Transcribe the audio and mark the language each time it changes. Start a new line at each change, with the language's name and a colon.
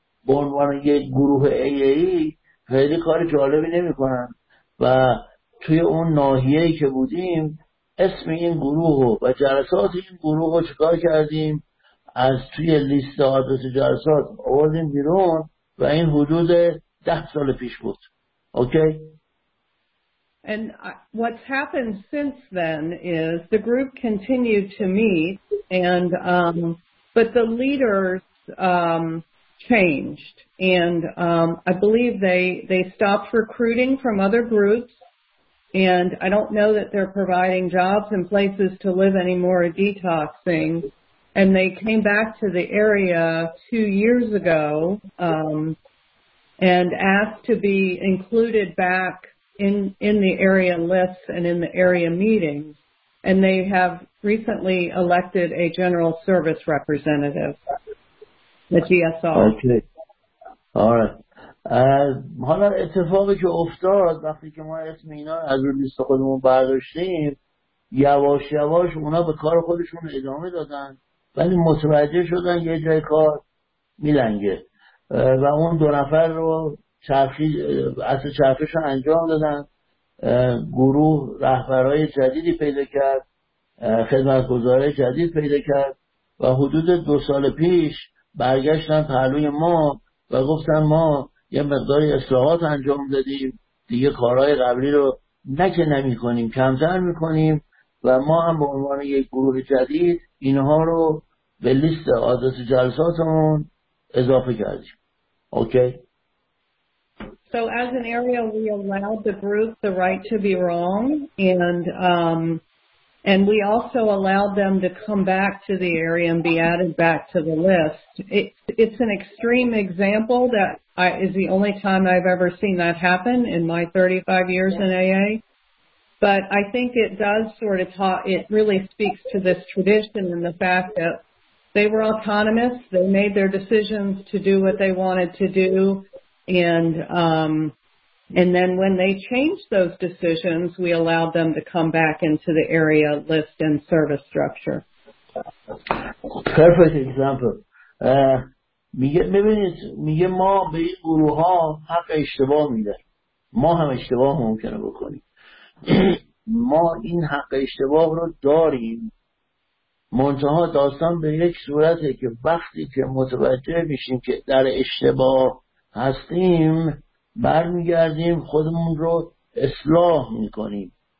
Persian: به عنوان یک گروه AA خیلی کار جالبی نمی کنن و توی اون ناحیه‌ای که بودیم اسم این گروه و جلسات این گروه رو چکار کردیم، از توی لیست آدرس جلسات آوردیم بیرون و این حدود 10 سال پیش بود.
English: Okay? And what's happened since then is the group continued to meet and but the leaders changed and I believe they stopped recruiting from other groups. And I don't know that they're providing jobs and places to live anymore or detoxing. And they came back to the area 2 years ago and asked to be included back in the area lists and in the area meetings. And they have recently elected a general service representative, the GSR. Okay. All right.
Persian: حالا اتفاقی که افتاد وقتی که ما اسم اینا از روی لیست خودمون برداشتیم، یواش یواش اونا به کار خودشون ادامه دادن ولی متوجه شدن یه جای کار میلنگه و اون دو نفر رو چرخش رو انجام دادن. گروه رهبرهای جدیدی پیدا کرد، خدمتگزاره جدید پیدا کرد و حدود 2 سال پیش برگشتن پهلوی ما و گفتن ما یه مقداری اصلاحات انجام دادیم، دیگه کارهای قبلی رو نمی‌کنیم، کمتر می‌کنیم و ما هم به عنوان یک گروه جدید اینها رو به لیست آدرس جلساتمون اضافه کردیم.
English: Okay? So as an area we allowed the group the right to be wrong and we also allowed them to come back to the area and be added back to the list. It's an extreme example that is the only time I've ever seen that happen in my 35 years in AA. But I think it does sort of talk, it really speaks to this tradition and the fact that they were autonomous. They made their decisions to do what they wanted to do. And then when they changed those decisions, we allowed them to come back into the area list and service structure. Perfect example.
Persian: میگه ببینید میگه ما به این گروه ها حق اشتباه میده. ما هم اشتباه ممکنه بکنیم. ما این حق اشتباه رو داریم. منتها داستان به یک صورته که وقتی که متوجه میشیم که در اشتباه هستیم برمیگردیم خودمون رو اصلاح میکنیم.